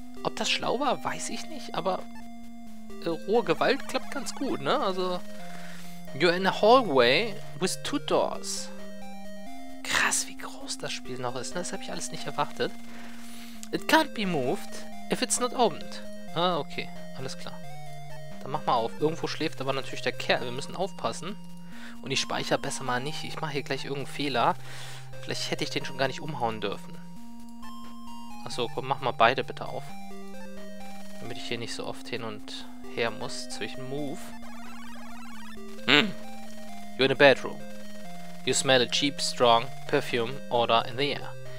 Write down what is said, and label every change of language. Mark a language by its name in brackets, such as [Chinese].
[German] Ob das schlau war, weiß ich nicht, aber rohe Gewalt klappt ganz gut, ne? [English] Also, you're in a hallway with two doors. [German] Krass, wie groß das Spiel noch ist, ne? Das habe ich alles nicht erwartet. [English] It can't be moved if it's not opened. [German] Ah, okay, alles klar. Dann mach mal auf. Irgendwo schläft aber natürlich der Kerl. Wir müssen aufpassen. Und ich speichere besser mal nicht. Ich mache hier gleich irgendeinen Fehler. Vielleicht hätte ich den schon gar nicht umhauen dürfen. Achso, komm, mach mal beide bitte auf. Damit ich hier nicht so oft hin und her muss. [English] Zwischen Move. Hm. You're in a bedroom. You smell a cheap, strong perfume odor in the air.